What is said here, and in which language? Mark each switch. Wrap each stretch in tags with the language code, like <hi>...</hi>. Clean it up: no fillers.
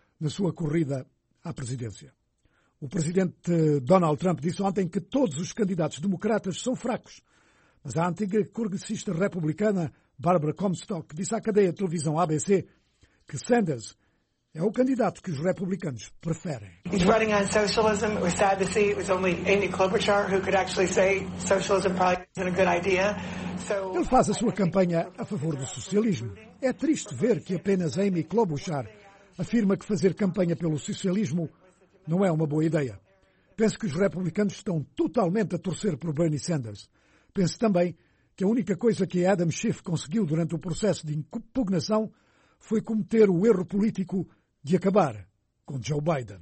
<pt>na sua corrida à presidência. O presidente Donald Trump disse ontem que todos os candidatos democratas são fracos, mas a antiga congressista republicana Barbara Comstock disse à cadeia de televisão ABC que Sanders é o candidato que os republicanos preferem.</pt> <en>He's running on socialism. It was sad to see. It was only Amy Klobuchar who could actually say socialism probably isn't a good idea.</en> <pt>Ele faz a sua campanha a favor do socialismo. É triste ver que apenas Amy Klobuchar afirma que fazer campanha pelo socialismo não é uma boa ideia. Penso que os republicanos estão totalmente a torcer por Bernie Sanders. Penso também que a única coisa que Adam Schiff conseguiu durante o processo de impugnação foi cometer o erro político de acabar com Joe Biden.</pt>